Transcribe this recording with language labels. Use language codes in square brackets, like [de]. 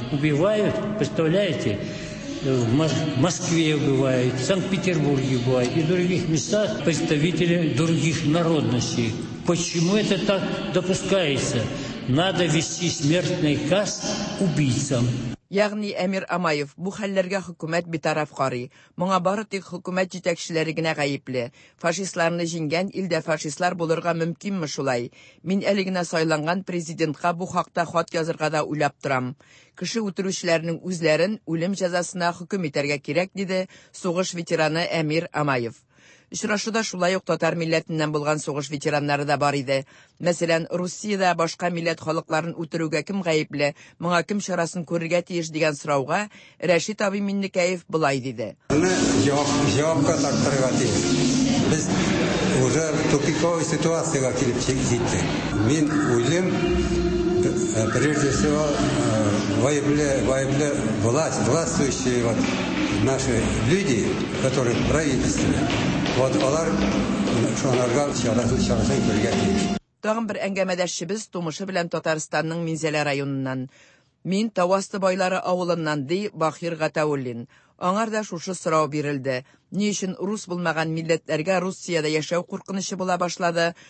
[ru] Убивают, представляете, в Москве убивают, в Санкт-Петербурге убивают и в других местах представители других народностей. Почему это так допускается? Надо вести смертный каз убийцам. [tt] Ягъни Әмир Амаев, бу хәлләргә хөкүмәт битараф карый. Моңа бары тик хөкүмәт җитәкчеләре генә гаепле. Фашистларны җиңгән илдә фашистлар булырга мөмкинме шулай? Мин әле генә сайланган президентка бу хакта хат язырга да уйлап торам. Кеше үтерүчеләрнең үзләрен үлем җәзасына хөкүм итәргә кирәк, диде сугыш ветераны Әмир Амаев. Очрашуда шулай ук татар милләтеннән булган сугыш ветераннары да бар иде. Мәсәлән, Русиядә башка милләт халыкларын үтерүгә кем гаепле, моңа кем чарасын күрергә тиеш дигән сорауга Рәшит абый Минникәев булай диде. Җавапка тартырга тиеш. Без [ru] уже тупиковой ситуации [tt] килеп җиттек. Мин үзем [ru] прежде всего [tt] гаепле [ru] властвующие вот наши люди, которые правительство. [tt] Вот алар шуларга чарасын күргәне. Тагын бер әңгәмәдәшебез тумышы белән Татарстанның Минзәлә районыннан, Мин Тавасты байлары авылыннан, ди Бахир Гатауллин. Аңар да шушы сорау бирелде. Ни өчен рус булмаган милләтләргә Русиядә яшәү куркынычы була башлады?